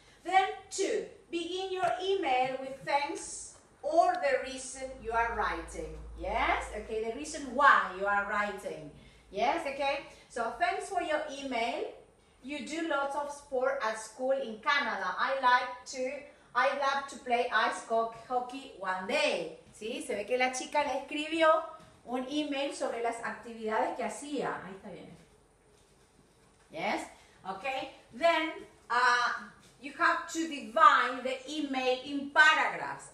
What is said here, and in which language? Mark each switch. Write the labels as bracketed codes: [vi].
[en] Then two, begin your email with thanks or the reason you are writing. Yes, okay, the reason why you are writing. Yes, okay, so thanks for your email. You do lots of sport at school in Canada. I love to play ice hockey one day. ¿Sí? [es] Se ve que la chica le escribió un email sobre las actividades que hacía. Ahí está bien. [en] Yes, okay, then you have to divide the email in paragraphs.